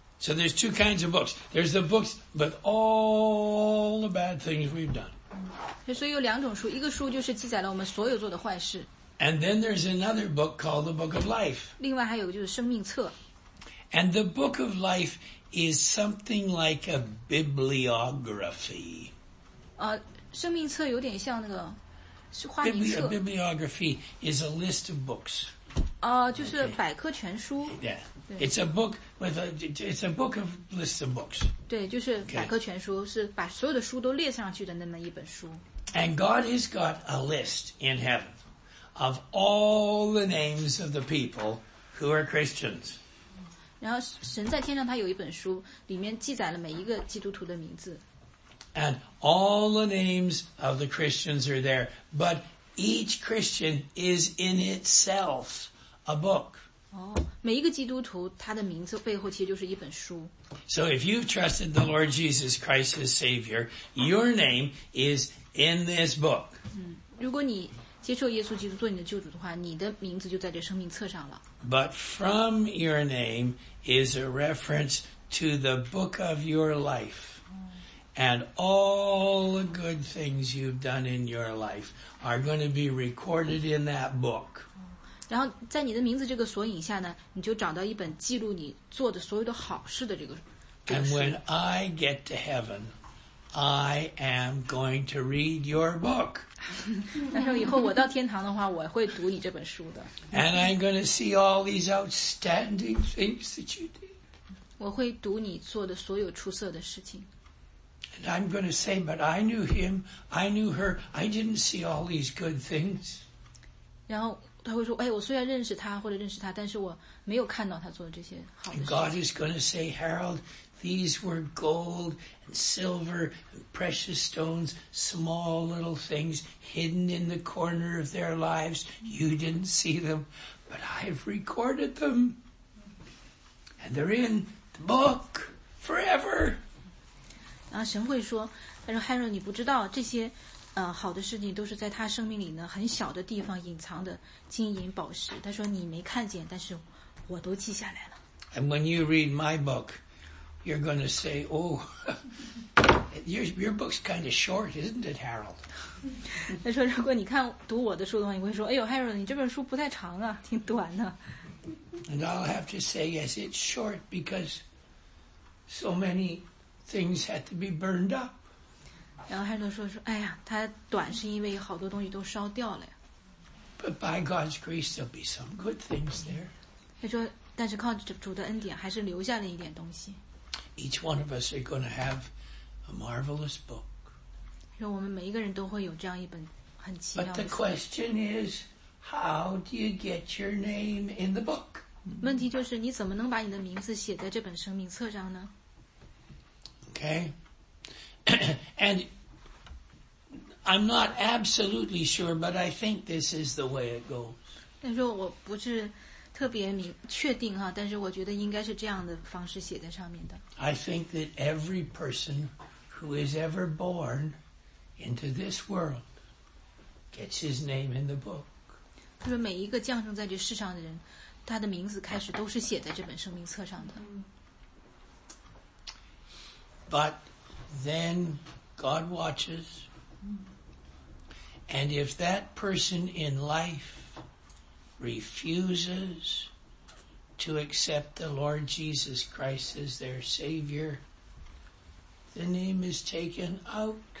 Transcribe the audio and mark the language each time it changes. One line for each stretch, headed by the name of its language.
English: So there's two kinds of books. There's the books with all the bad things we've done.
Chinese: 所以有两种书，一个书就是记载了我们所有做的坏事。
English: And then there's another book called the Book of Life.
Chinese: 另外还有就是生命册。
English: And the Book of Life is something like a bibliography.
Chinese: 生命册有点像那个是花名册。
English: A bibliography is a list of books.
Chinese: 就是百科全书。
English: Okay. Yeah. It's a book with a, it's a book of lists of books.
Chinese: 对，就是百科全书，是把所有的书都列上去的那么一本书。
English: And God has got a list in heaven of all the names of the people who are Christians.
Chinese: 然后神在天上他有一本书，里面记载了每一个基督徒的名字。
English: And all the names of the Christians are there, but each Christian is in itself a book.
Chinese: 每一个基督徒他的名字背后其实就是一本书。
English: So if you've trusted the Lord Jesus Christ as Savior, your name is in this book.
Chinese: 如果你接受耶稣基督做你的救主的话，你的名字就在这生命册上了。
English: But from your name is a reference to the book of your life. And all the good things you've done in your life are going to be recorded in that book.
Chinese: 然后在你的名字这个索引下呢，你就找到一本记录你做的所有的好事的这个。
English: And when I get to heaven, I am going to read your book.
Chinese: 然后以后我到天堂的话，我会读你这本书的。
English: And I'm going to see all these outstanding things that you did.
Chinese: 我会读你做的所有出色的事情。
English: And I'm going to say, but I knew him, I knew her, I didn't see all these good things.
Chinese: 然后他会说，哎，我虽然认识他或者认识他，但是我没有看到他做的这些好的事情。
English: And God is going to say, Harold, these were gold and silver and precious stones, small little things hidden in the corner of their lives. You didn't see them, but I've recorded them. And they're in the book forever.
Chinese: 然后神会说，他说 Harold, 你不知道这些好的事情都是在他生命里呢很小的地方隐藏的金银宝石。他说你没看见，但是我都记下来了。
English: And when you read my book, you're going to say, oh, your book's kind of short, isn't it, Harold?
Chinese: 他说如果你看读我的书的话，你会说，哎呦 ，Harold, 你这本书不太长啊，挺短的。
English: And I'll have to say yes, it's short because so many things had to be burned up.
Chinese: 然后他就说，哎呀，他短是因为好多东西都烧掉了呀。
English: But by God's grace, there'll be some good things there.
Chinese: 他说，但是靠主的恩典，还是留下了一点东西。
English: Each one of us are going to have a marvelous book.
Chinese: 说我们每一个人都会有这样一本很奇妙的。
English: But the question is, how do you get your name in the book?
Chinese: 问题就是你怎么能把你的名字写在这本生命册上呢
English: ？Okay. And I'm not absolutely sure, but I think this is the way it goes.
Chinese: 但是我不是特别明确定哈，但是我觉得应该是这样的方式写在上面的。
English: I think that every person who is ever born into this world gets his name in the book.
Chinese: 就是每一个降生在这世上的人，他的名字开始都是写在这本生命册上的。
English: But then God watches, and if that person in life refuses to accept the Lord Jesus Christ as their Savior, the name is taken out.